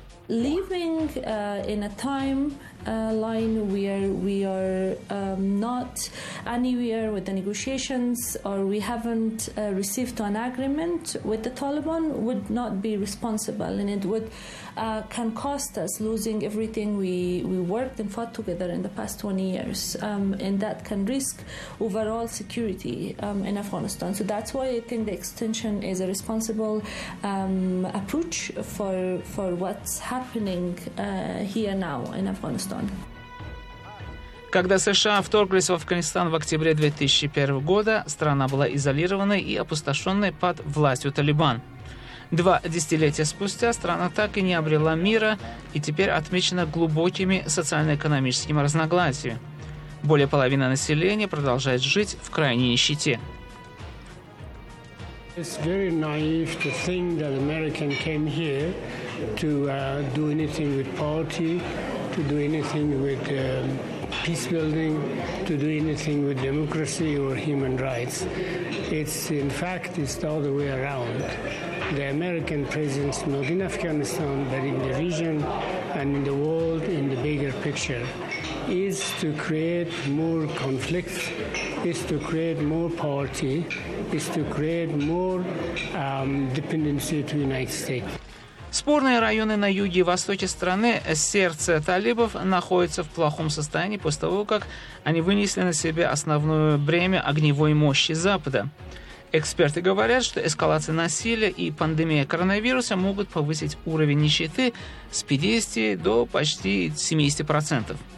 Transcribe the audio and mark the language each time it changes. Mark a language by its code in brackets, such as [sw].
[en] Living in a time line where we are not anywhere with the negotiations or we haven't received an agreement with the Taliban would not be responsible, and it would can cost us losing everything we worked and fought together in the past 20 years, and that can risk overall security in Afghanistan. So that's why I think the extension is a responsible approach for what's happening here now in Afghanistan. [ru] Когда США вторглись в Афганистан в октябре 2001 года, страна была изолированной и опустошенной под властью Талибан. Два десятилетия спустя страна так и не обрела мира и теперь отмечена глубокими социально-экономическими разногласиями. Более половины населения продолжает жить в крайней нищете. [en] It's very naive to think that American came here to do anything with poverty, to do anything with peace building, to do anything with democracy or human rights. It's in fact it's the other way around. The American presence not in Afghanistan but in the region and in the world in the bigger picture is to create more conflict, is to create more poverty, is to create more dependency to the United States. [ru] Спорные районы на юге и востоке страны, сердце талибов, находятся в плохом состоянии после того, как они вынесли на себе основное бремя огневой мощи Запада. Эксперты говорят, что эскалация насилия и пандемия коронавируса могут повысить уровень нищеты с 50 до почти 70%.